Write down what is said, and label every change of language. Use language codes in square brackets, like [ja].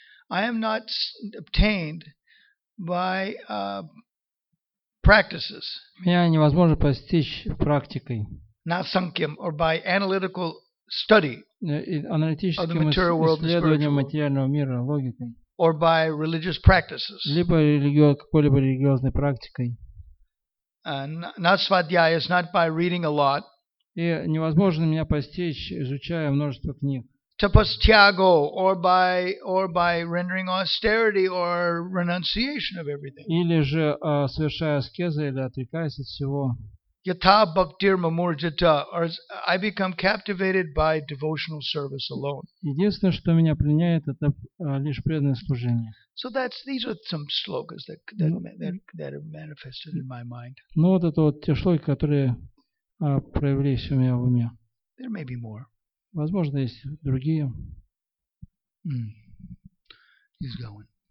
[en] I am not obtained by practices. [ru] Меня невозможно постичь практикой. [en] Насанкьям, or by analytical study. [ru] Аналитическим исследованием материального мира, логикой. [en] Or by religious practices. [ru] Либо какой-либо религиозной практикой. [en] Насвадьяя is not by reading a lot. [ru] И невозможно меня постичь, изучая множество книг. [en] Tapastyago, or by rendering austerity or renunciation of everything. [ru] Или же совершая аскезы или отрекаясь от всего. [sa] Yata bhaktir mamurjita, [en] or I become captivated by devotional service alone. [ru] Единственное, что меня пленяет, это лишь преданное служение. [en] So these are some slogans that are manifested in my mind. [ru] Ну вот это вот те шлоки, которые проявились у меня в уме. [en] There may be more. [ru] Возможно, есть другие. [en] He's going.